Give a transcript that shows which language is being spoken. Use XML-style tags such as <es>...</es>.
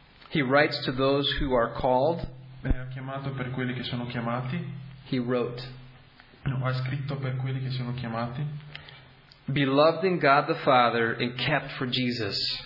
<en>He writes to those who are called.</en> <it>E ha chiamato per quelli che sono chiamati.</it> <en>He wrote.</en> <it>No, ha scritto per quelli che sono chiamati.</it> <en>Beloved in God the Father and kept for Jesus.</en>